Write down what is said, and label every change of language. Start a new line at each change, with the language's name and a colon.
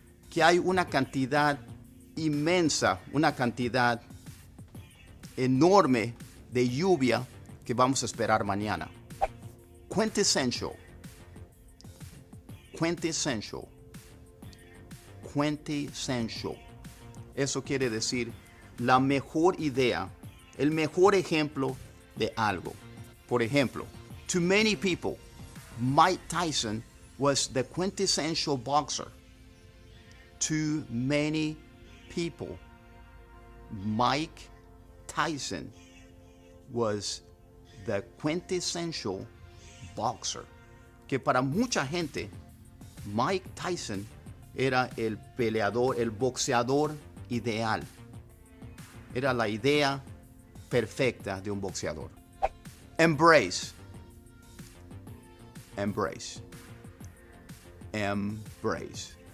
Spanish: Que hay una cantidad inmensa, una cantidad enorme de lluvia que vamos a esperar mañana. Quintessential. Quintessential. Quintessential. Eso quiere decir la mejor idea, el mejor ejemplo de algo. Por ejemplo,
English: to many people, Mike Tyson was the quintessential boxer. To many people, Mike Tyson was the quintessential boxer.
Spanish: Que para mucha gente, Mike Tyson era el peleador, el boxeador ideal. Era la idea perfecta de un boxeador. Embrace.
English: Embrace. Embrace.